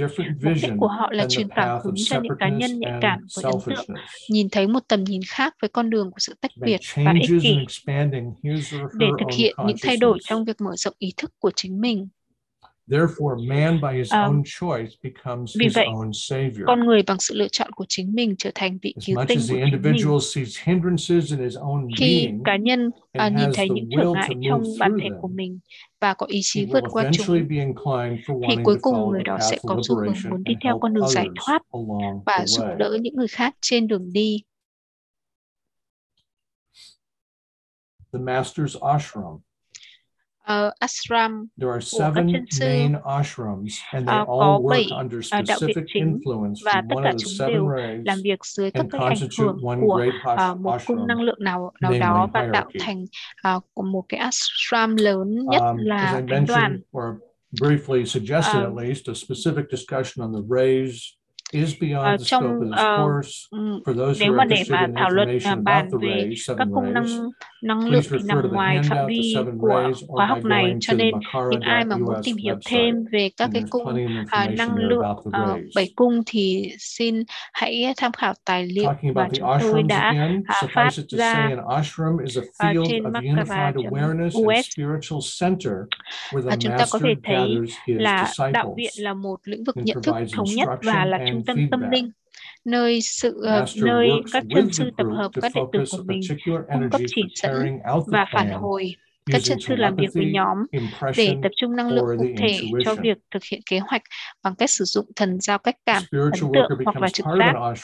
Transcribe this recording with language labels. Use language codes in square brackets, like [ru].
[vi] Mục đích của họ là truyền cảm hứng cho những cá nhân nhạy cảm và ấn tượng, nhìn thấy một tầm nhìn khác với con đường của sự tách biệt và ích kỷ để thực hiện những thay đổi trong việc mở rộng ý thức của chính mình. [en] Therefore, man by his own choice becomes his own savior. [vi] Con người bằng sự lựa chọn của chính mình trở thành vị cứu tinh của chính mình. [en] As the individual sees hindrances in his own being, [vi] khi cá nhân nhìn thấy những trở ngại trong bản thể của mình và có ý chí vượt qua chúng, thì cuối cùng người đó sẽ có xu hướng muốn đi theo con đường giải thoát và giúp đỡ những người khác trên đường đi. [en] The master's ashram. Ashram. There are seven main ashrams, and they all work under specific influence from one of the seven rays and constitute one great ashram, namely hierarchy. [vi] Một cái ashram lớn nhất là thánh đoàn. [en] Or briefly suggested, at least, a specific discussion on the rays. is beyond the trong, scope of this course. For those who are interested in information about the rays, seven rays, please refer to the handout, the seven rays, or by going to the Makara.us website. And there's plenty of information there about the rays. Talking about the ashrams again, suffice it to say an ashram is a field of unified awareness and spiritual center where the master gathers his disciples and provides instruction. [vi] Trung tâm tâm linh, nơi sự nơi các chân sư tập hợp các đệ tử của mình, cung cấp chỉ dẫn và phản hồi. Các chân sư làm việc với nhóm để tập trung năng lượng cụ thể cho việc thực hiện kế hoạch bằng cách sử dụng thần giao cách cảm, ấn tượng hoặc là trực giác.